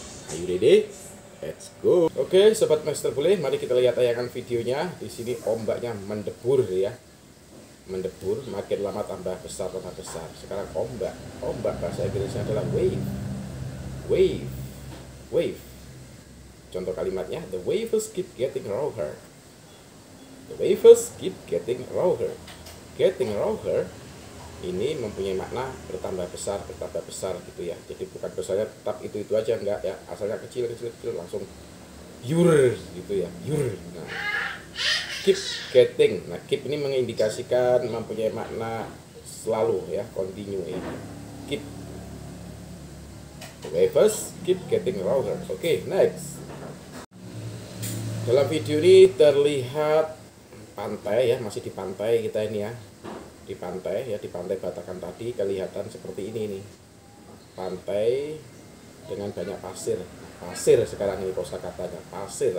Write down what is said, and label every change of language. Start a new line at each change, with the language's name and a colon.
English: Are you ready? Let's go.
Indonesian: Oke, sobat Mr. Boleh, mari kita lihat tayangan videonya. Di sini ombaknya mendebur ya. Mendebur, makin lama tambah besar, tambah besar. Sekarang ombak bahasa Inggrisnya adalah wave.
English: Contoh kalimatnya, the waves keep getting rougher. The waves keep getting rougher. Getting rougher
Indonesian: ini mempunyai makna bertambah besar gitu ya. Jadi bukan besarnya tetap itu aja, enggak ya. Asalnya kecil langsung yur gitu ya, yur. Nah,
English: keep getting.
Indonesian: Nah, keep ini mengindikasikan mempunyai makna selalu ya, continue. Keep.
English: The waves keep getting rougher. Oke, next.
Indonesian: Dalam video ini terlihat pantai ya, masih di pantai kita ini ya. Di pantai ya, di Pantai Batakan tadi kelihatan seperti ini nih. Pantai dengan banyak pasir. Pasir sekarang ini kosakatanya. Pasir.